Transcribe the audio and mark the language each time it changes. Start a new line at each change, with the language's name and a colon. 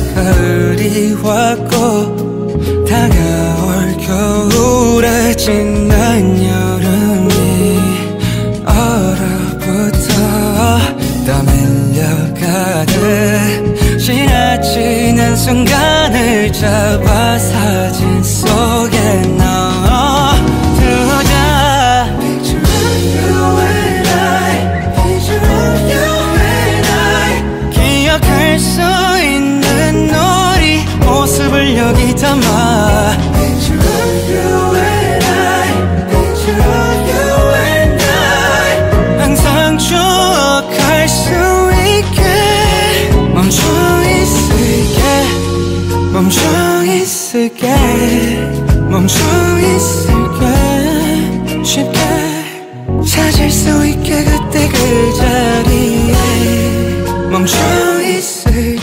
Korean: 가을이 왔고 다가올 겨울에 지난 여름이 얼어붙어 땀흘려가듯 지나치는 순간을 잡아 사진 속에 넣어 두자.
English: Picture of you and I, picture of you and I.
Korean: 기억할 수 있는 우리 모습을 여기 담아.
English: Picture of you and I, picture of you and I.
Korean: 항상 추억할 수 있게 멈춰 있을게, 멈춰 있을게, 멈춰 있을게. 쉽게 찾을 수 있게 그때 그 자리에 멈춰 있을게.